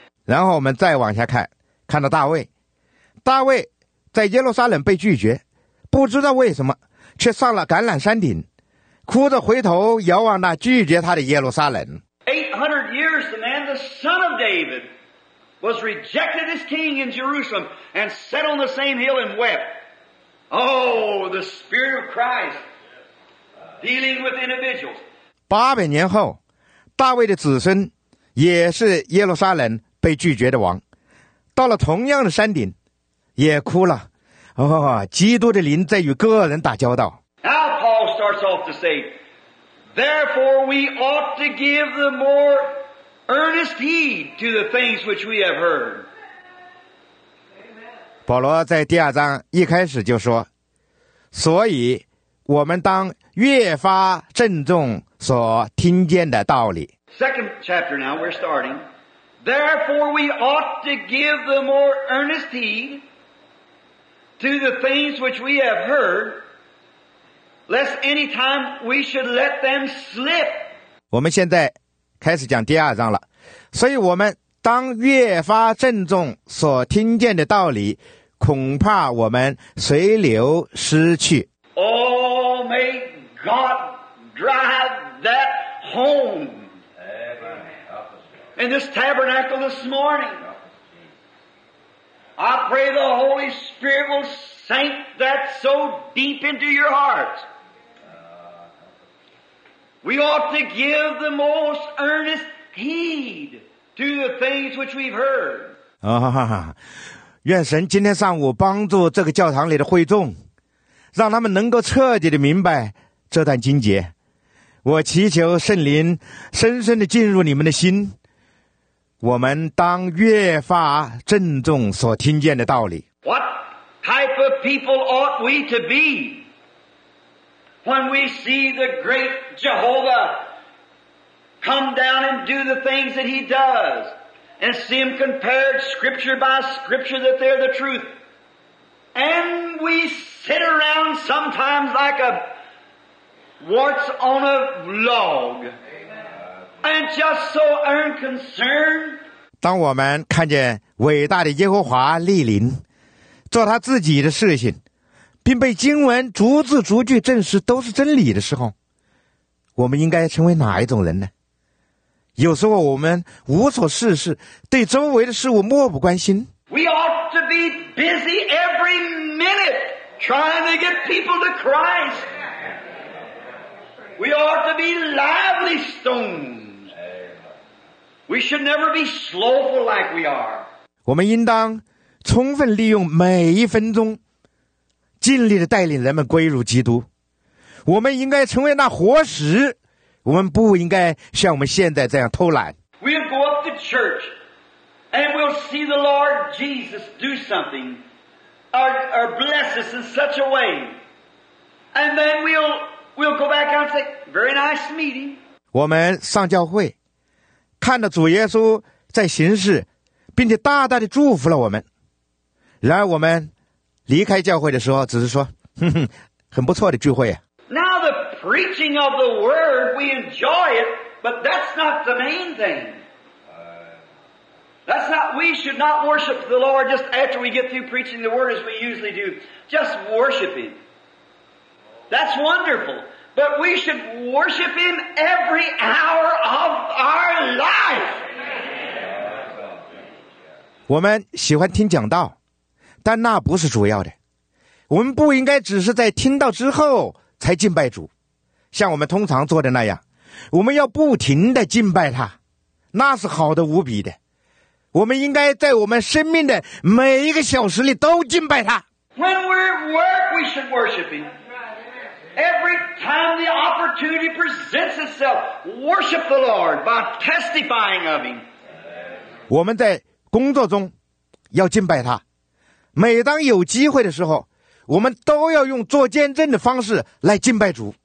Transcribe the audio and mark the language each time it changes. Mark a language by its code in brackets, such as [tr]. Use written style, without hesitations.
[zh] 然后我们再往下看，看到大卫。大卫在耶路撒冷被拒绝，不知道为什么，却上了橄榄山顶，哭着回头遥望那拒绝他的耶路撒冷。 [en] 800 years, the man, the son of David, was rejected as king in Jerusalem and sat on the same hill and wept. Oh, the Spirit of Christ. Dealing with individuals. 800 years, [zh] 大卫的子孙也是耶路撒冷被拒绝的王，到了同样的山顶，也哭了。哦，基督的灵在与个人打交道。 [en] Now Paul starts off to say, therefore we ought to give the more earnest heed to the things which we have heard. [zh] 保罗在第二章一开始就说，所以我们当越发郑重所听见的道理。 [en] Second chapter now, we're starting. Therefore, we ought to give the more earnest heed to the things which we have heard, lest any time we should let them slip. [zh] 我们现在开始讲第二章了。所以我们当越发郑重所听见的道理，恐怕我们随流失去。 [en] Oh, may God drive that home. In this tabernacle this morning, I pray the Holy Spirit will sink that so deep into your heart. We ought to give the most earnest heed to the things which we've heard. [zh] 愿神今天上午帮助这个教堂里的会众，让他们能够彻底的明白这段经节。我祈求圣灵深深的进入你们的心，我们当越发郑重所听见的道理。 [en] What type of people ought we to be when we see the great Jehovah come down and do the things that he does and see him compared scripture by scripture that they're the truth and we sit around sometimes like a warts on a log and just so unconcerned. [zh] 当我们看见伟大的耶和华莅临做他自己的事情，并被经文逐字逐句证实都是真理的时候，我们应该成为哪一种人呢？有时候我们无所事事，对周围的事物漠不关心。 [en] We ought to be busy every minute trying to get people to Christ. We ought to be lively stones. We should never be slowful like we are. [zh] 我们应当充分利用每一分钟，尽力地带领人们归入基督。我们应该成为那活石，我们不应该像我们现在这样偷懒。 [en] We'll go up to church and we'll see the Lord Jesus do something or bless us in such a way. And then we'll go back and say, very nice meeting. [zh] 我们上教会，看着主耶稣在行事，并且大大的祝福了我们。然而我们离开教会的时候只是说很不错的聚会啊。 [en] Now the preaching of the word, we enjoy it, but that's not the main thing. That's not, we should not worship the Lord just after we get through preaching the word as we usually do. Just worship Him. That's wonderful. But we should worship Him every hour of our life. [zh] 我们喜欢听讲道，但那不是主要的。我们不应该只是在听到之后才敬拜主，像我们通常做的那样，我们要不停地敬拜他，那是好的无比的。我们应该在我们生命的每一个小时里都敬拜他。 [en] When we're at work, we should worship Him. Every time the opportunity presents itself, worship the Lord by testifying of Him. [zh] 我们在工作中要敬拜他，每当有机会的时候，我们都要用做见证的方式来敬拜主。